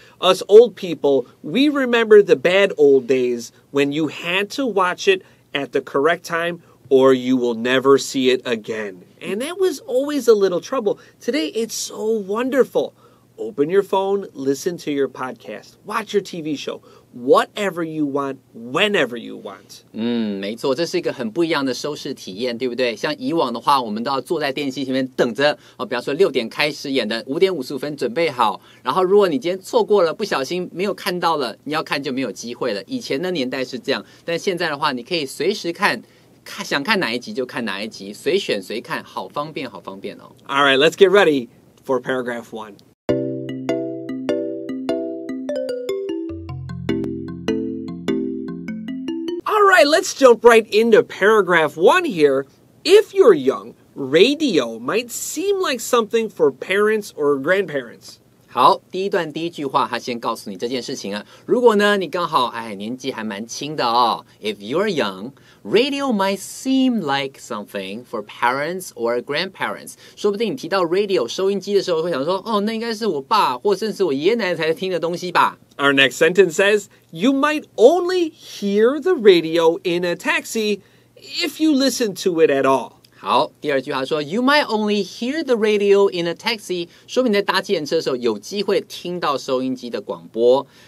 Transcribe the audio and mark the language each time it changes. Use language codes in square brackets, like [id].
[en] Us old people, we remember the bad old days when you had to watch it at the correct time or you will never see it again. And that was always a little trouble. Today, it's so wonderful. Open your phone, listen to your podcast, watch your TV show, whatever you want, whenever you want. [zh] 没错，这是一个很不一样的收视体验，对不对？像以往的话，我们都要坐在电视前面等着，比方说6点开始演的，5点55分准备好。然后如果你今天错过了，不小心没有看到了，你要看就没有机会了。以前的年代是这样，但现在的话，你可以随时看。想看哪一集就看哪一集，随选随看，好方便，好方便哦。 [en] All right, let's get ready for paragraph one. All right, let's jump right into paragraph one here. If you're young, radio might seem like something for parents or grandparents. [zh] 好，第一段第一句话，他先告诉你这件事情了。如果呢，你刚好年纪还蛮轻的哦。 [en] If you're young, radio might seem like something for parents or grandparents. [zh] 说不定你提到 radio 收音机的时候，会想说，哦，那应该是我爸或甚至我爷爷奶奶才听的东西吧。 [en] Our next sentence says, you might only hear the radio in a taxi if you listen to it at all. [zh] 好，第二句话说 ， [en] You might only hear the radio in a taxi， [zh] 说明你在搭计程车的时候有机会听到收音机的广播。